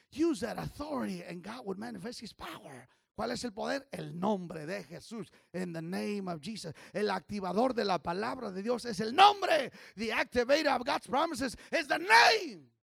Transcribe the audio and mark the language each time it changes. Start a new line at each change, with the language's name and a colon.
English: Use that authority and God will manifest his power.
Spanish: ¿Cuál es el poder? El nombre de Jesús.
English: In the name of Jesus.
Spanish: El activador de la palabra de Dios es el nombre.
English: The activator of God's promises is the name.